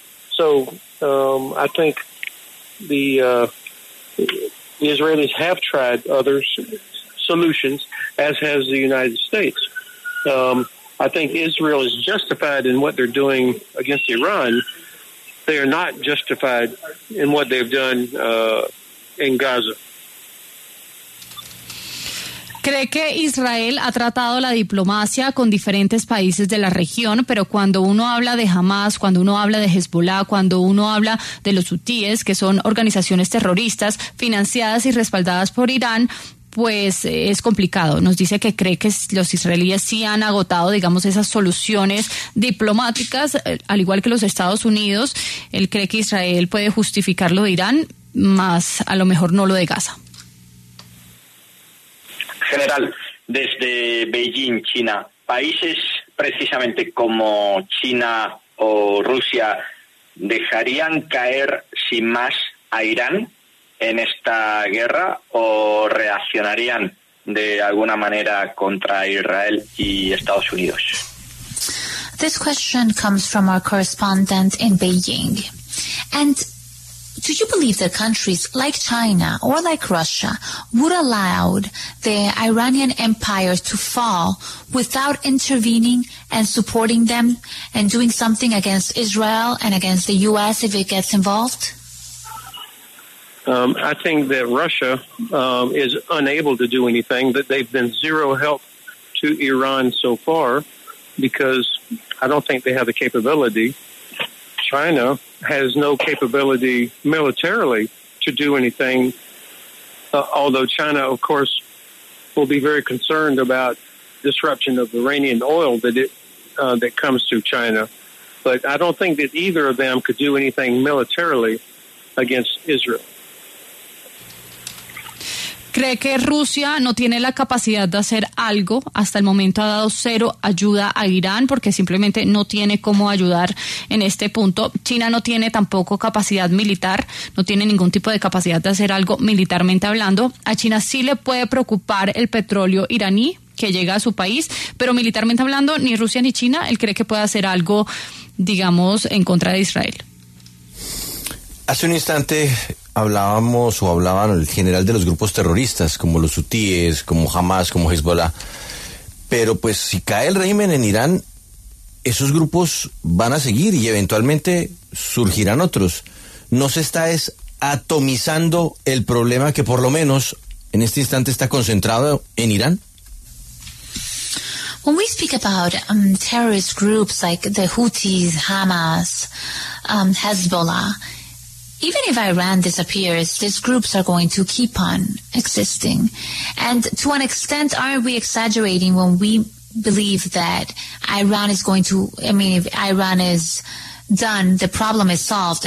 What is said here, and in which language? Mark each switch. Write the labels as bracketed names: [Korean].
[English] So I think the Israelis have tried other solutions, as has the United States. I think Israel is justified in what they're doing against Iran. They are not justified in what they've done in Gaza. [Spanish] ¿Cree que Israel ha tratado la diplomacia con diferentes países de la región, pero cuando uno habla de Hamas, cuando uno habla de Hezbollah, cuando uno habla de los hutíes, que son organizaciones terroristas financiadas y respaldadas por Irán, pues es complicado? Nos dice que cree que los israelíes sí han agotado, digamos, esas soluciones diplomáticas, al igual que los Estados Unidos. Él cree que Israel puede justificar lo de Irán, más a lo mejor no lo de Gaza. General, desde Beijing, China, países precisamente como China o Rusia, ¿dejarían caer sin más a Irán en esta guerra o reaccionarían de alguna manera contra Israel y Estados Unidos? [English] This question comes from our correspondent in Beijing. And do you believe that countries like China or like Russia would allow the Iranian empire to fall without intervening and supporting them and doing something against Israel and against the U.S. if it gets involved? I think that Russia is unable to do anything, that they've been zero help to Iran so far because I don't think they have the capability. China has no capability militarily to do anything, although China, of course, will be very concerned about disruption of Iranian oil that that comes to China. But I don't think that either of them could do anything militarily against Israel. [Spanish] ¿Cree que Rusia no tiene la capacidad de hacer algo? Hasta el momento ha dado cero ayuda a Irán porque simplemente no tiene cómo ayudar en este punto. China no tiene tampoco capacidad militar, no tiene ningún tipo de capacidad de hacer algo militarmente hablando. A China sí le puede preocupar el petróleo iraní que llega a su país, pero militarmente hablando, ni Rusia ni China, él cree que puede hacer algo, digamos, en contra de Israel. Hace un instante hablábamos o hablaban el general de los grupos terroristas como los hutíes, como Hamas, como Hezbollah, pero pues si cae el régimen en Irán, esos grupos van a seguir y eventualmente surgirán otros. ¿No se está es atomizando el problema que por lo menos en este instante está concentrado en Irán? [English] When we speak about terrorist groups like the Houthis, Hamas, Hezbollah, even if Iran disappears, these groups are going to keep on existing. And to an extent, aren't we exaggerating when we believe that Iran is going to, I mean, if Iran is done, the problem is solved.